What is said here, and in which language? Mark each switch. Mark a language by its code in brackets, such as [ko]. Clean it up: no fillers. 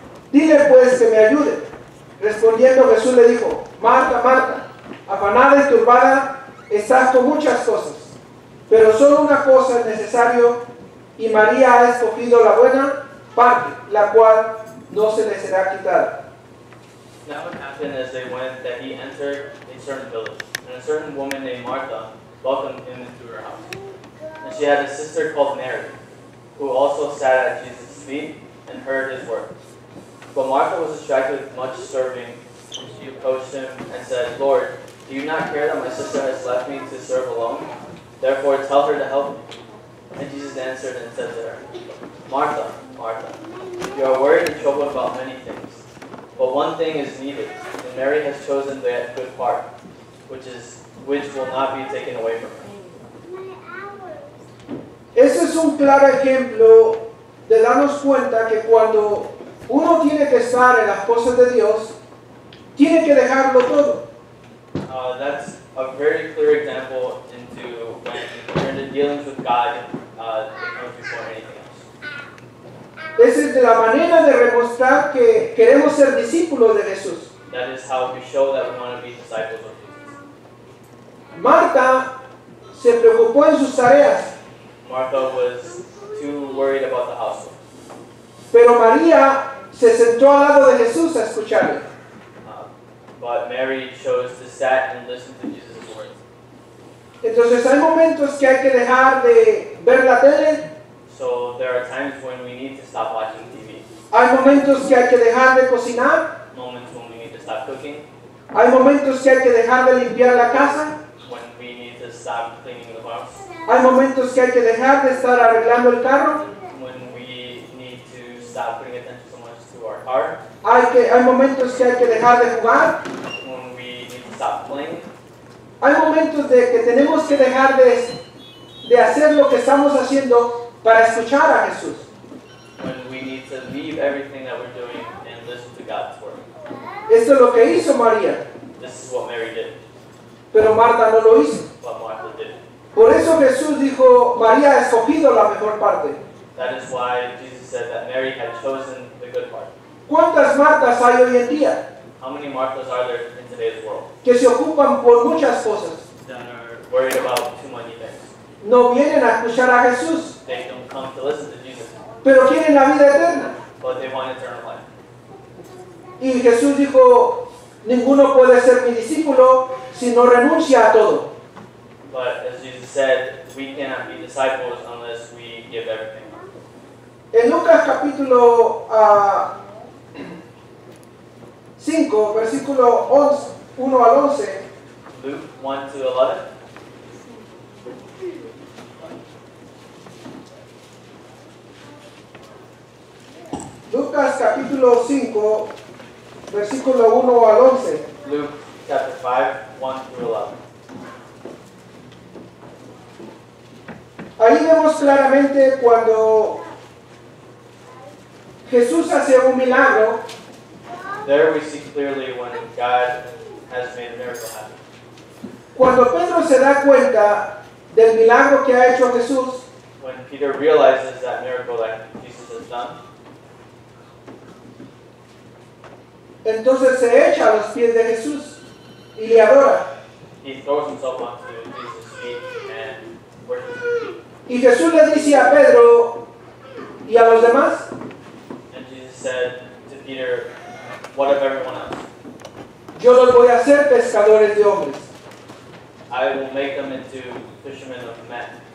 [es] Dile pues que me ayude. Respondiendo Jesús le dijo: Marta, Marta, afanada y turbada estás con muchas cosas, pero solo una cosa es necesario, y María ha escogido la buena parte, la cual no se le será quitada. [en] Now what happened as they went that he entered a certain village, and a certain woman named Martha welcomed him into her house. And she had a sister called Mary, who also sat at Jesus' feet and heard his words. But Martha was distracted with much serving, and she approached him and said, Lord, do you not care that my sister has left me to serve alone? Therefore, tell her to help me. And Jesus answered and said to her, Martha, Martha, you are worried and troubled about many things, but one thing is needed, and Mary has chosen the good part, which will not be taken away from her. [es] Ese es un claro ejemplo de darnos cuenta que cuando uno tiene que estar en las cosas de Dios, tiene que dejarlo todo. [en] That's a very clear example into when you're dealing with God, before anything else. [es] Esa es la manera de demostrar que queremos ser discípulos de Jesús. [en] That is how we show that we want to be disciples of Jesus. [es] Marta se preocupó en sus tareas. [en] Martha was too worried about the household. [es] Pero María se sentó al lado de Jesús a escucharle. [en] But Mary chose to sit and listen to Jesus' words. [es] Entonces hay momentos que hay que dejar de ver la tele. [en] So there are times when we need to stop watching TV. [es] Hay momentos que hay que dejar de cocinar. [en] Moments when we need to stop cooking. [es] Hay momentos que hay que dejar de limpiar la casa. [en] When we need to stop cleaning the house. [es] Hay momentos que hay que dejar de estar arreglando el carro. [en] When we need to stop putting attention so much to our car. [es] Hay momentos que hay que dejar de jugar. [en] When we need to stop playing. [es] Hay momentos de que tenemos que dejar de hacer lo que estamos haciendo para escuchar a Jesús. [en] When we need to leave everything that we're doing and listen to God's word. [es] Esto es lo que hizo María. [en] This is what Mary did. [es] Pero Marta no lo hizo. [en] But Martha did. [es] Por eso Jesús dijo, María ha escogido la mejor parte. [en] That is why Jesus said that Mary had chosen the good part. [es] ¿Cuántas Martas hay hoy en día? [en] How many Martas are there in today's world? [es] Que se ocupan por muchas cosas. [en] That are worried about too many things. [es] No vienen a escuchar a Jesús. [en] They don't come to listen to Jesus. [es] Pero quieren la vida eterna. [en] But they want eternal life. [es] Y Jesús dijo, ninguno puede ser mi discípulo si no renuncia a todo. [en] But as Jesus said, we cannot be disciples unless we give everything. [es] En Lucas capítulo 5, versículo 1 al 11. [en] Luke 1 to 11. [es] Lucas capítulo 5, versículo 1 al 11. [en] Luke chapter 5, 1 through 11. [es] Ahí vemos claramente cuando Jesús hace un milagro. [en] There we see clearly when God has made a miracle happen. [es] Cuando Pedro se da cuenta del milagro que ha hecho Jesús, [en] when Peter realizes that miracle that Jesus has done, [es] entonces se echa a los pies de Jesús y le adora. [en] He throws himself onto Jesus' feet and worships him. [es] Y Jesús le dice a Pedro y a los demás, [en] and Jesus said to Peter, what of everyone else? [es] Yo los voy a hacer pescadores de hombres. [en] I will make them into fishermen of men.